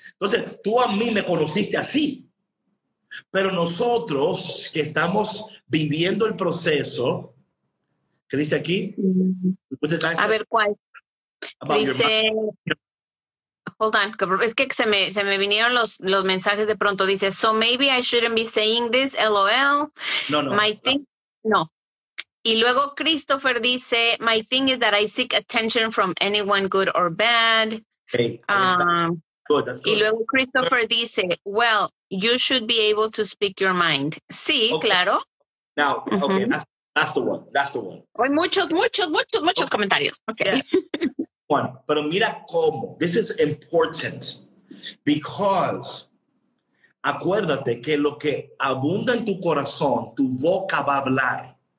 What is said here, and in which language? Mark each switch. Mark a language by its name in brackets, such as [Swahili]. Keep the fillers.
[Spanish] Entonces tú a mí me conociste así. Pero nosotros que estamos viviendo el proceso, ¿qué dice aquí? A ver cuál. Dice, [English] hold on, [Spanish] cabrón. es que se me, se me vinieron los, los mensajes de pronto. Dice, [English] so maybe I shouldn't be saying this, lol. [Spanish] No, no. [English] My thing, no. [Spanish] Y luego Christopher dice, [English] my thing is that I seek attention from anyone good or bad. Hey, Um, good, that's [Spanish] y [English] good. [Spanish] luego Christopher dice, [English] well, you should be able to speak your mind. [Spanish] Sí, [English] Ok. [Spanish] claro. [English] Now, okay, Ujú. that's, that's the one. That's the one. [Spanish] Hay muchos, muchos, muchos, muchos comentarios. [English] Ok. Yeah. [Spanish] Juan, pero mira cómo. [English] This is important because [Spanish] acuérdate que lo que abunda en tu corazón, tu boca va a hablar.